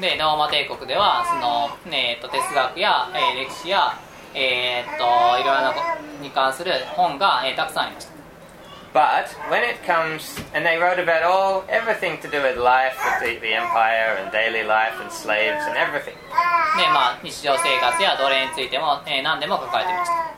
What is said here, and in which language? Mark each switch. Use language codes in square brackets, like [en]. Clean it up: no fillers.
[ja] で、ローマ帝国ではその、哲学や、歴史やいろいろなことに関する本が、たくさんありました。 [en] But when it comes, and they wrote about all everything to do with life, with the empire and daily life and slaves and everything. [ja] ね、まあ日常生活や奴隷についても、何でも書かれていました。